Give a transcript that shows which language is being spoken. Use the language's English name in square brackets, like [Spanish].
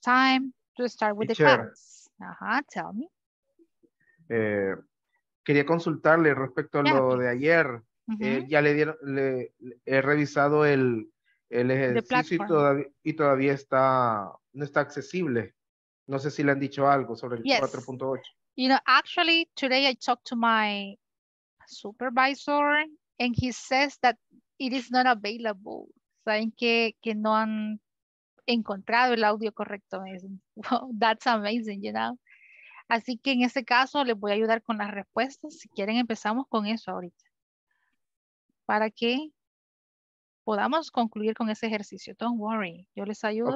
[English] Time. To start with the class. Tell me. [Spanish] Quería consultarle respecto a lo de ayer. Ya le dieron, he revisado el ejercicio y todavía está, no está accesible. No sé si le han dicho algo sobre el 4.8. [English] You know, actually, today I talked to my supervisor and he says that it is not available. [Spanish] Saben que no han encontrado el audio correcto. [English] That's amazing, you know. [Spanish] Así que en este caso les voy a ayudar con las respuestas. Si quieren empezamos con eso ahorita. Para que podamos concluir con ese ejercicio. [English] Don't worry. [Spanish] Yo les ayudo.